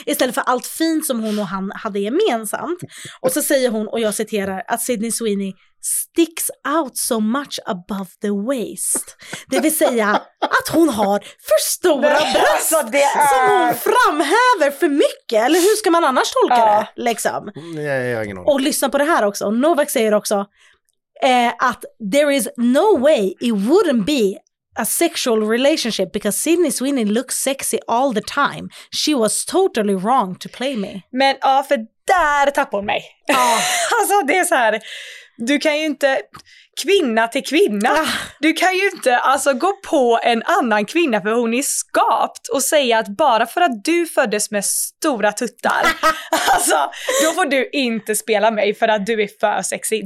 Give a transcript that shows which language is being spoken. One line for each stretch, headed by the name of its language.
Swedish: istället för allt fint som hon och han hade gemensamt. Och så säger hon, och jag citerar, att Sydney Sweeney
English: sticks out so much above the waist.
Swedish: Det vill säga att hon har för stora bröst som hon framhäver för mycket. Eller hur ska man annars tolka det? Liksom. Och lyssna på det här också. Novak säger också att
English: there is no way it wouldn't be a sexual relationship because Sydney Sweeney looks sexy all the time. She was totally wrong to play me.
Swedish: Men ja, för där tappar hon mig. Alltså det är så här... Du kan ju inte, kvinna till kvinna, du kan ju inte alltså gå på en annan kvinna för hon är skapt och säga att bara för att du föddes med stora tuttar, alltså då får du inte spela mig för att du är för sexy.